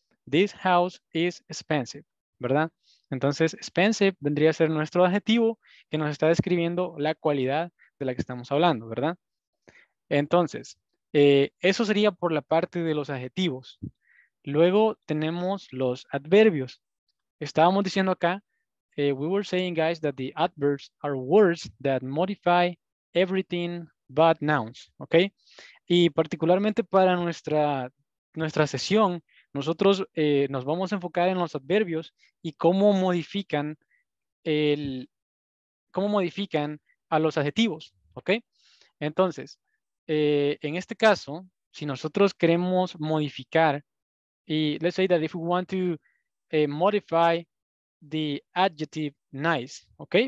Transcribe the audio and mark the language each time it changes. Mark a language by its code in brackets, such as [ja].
[en] This house is expensive, [es] ¿verdad? Entonces, expensive vendría a ser nuestro adjetivo que nos está describiendo la cualidad de la que estamos hablando, ¿verdad? Entonces, eso sería por la parte de los adjetivos. Luego tenemos los adverbios. Estábamos diciendo acá, [en] we were saying, guys, that the adverbs are words that modify everything but nouns, ¿ok? [es] Y particularmente para nuestra sesión, nosotros nos vamos a enfocar en los adverbios y cómo modifican a los adjetivos, ¿ok? Entonces, en este caso, si nosotros queremos modificar, y [en] let's say that if we want to modify the adjective nice, ¿ok?